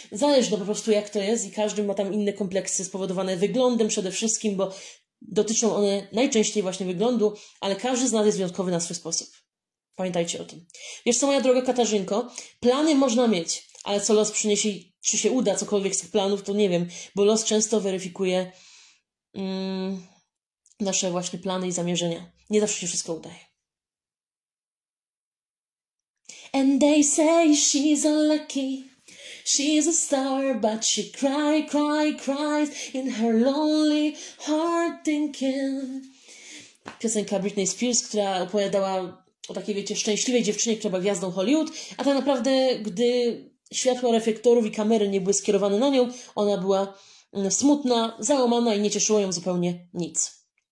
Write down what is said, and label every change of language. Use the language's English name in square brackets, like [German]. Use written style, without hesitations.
[Polish] Zależy to po prostu, jak to jest, i każdy ma tam inne kompleksy spowodowane wyglądem przede wszystkim, bo dotyczą one najczęściej właśnie wyglądu, ale każdy z nas jest wyjątkowy na swój sposób. Pamiętajcie o tym. Wiesz co, moja droga Katarzynko, plany można mieć, ale co los przyniesie, czy się uda cokolwiek z tych planów, to nie wiem, bo los często weryfikuje nasze właśnie plany i zamierzenia. Nie zawsze się wszystko udaje. [English] And they say she's unlucky, she's a star, but she cries in her lonely heart thinking. [Polish] Piosenka Britney Spears, która opowiadała o takiej, wiecie, szczęśliwej dziewczynie, która była gwiazdą Hollywood, a tak naprawdę, gdy światła reflektorów i kamery nie były skierowane na nią, ona była smutna, załamana i nie cieszyło ją zupełnie nic.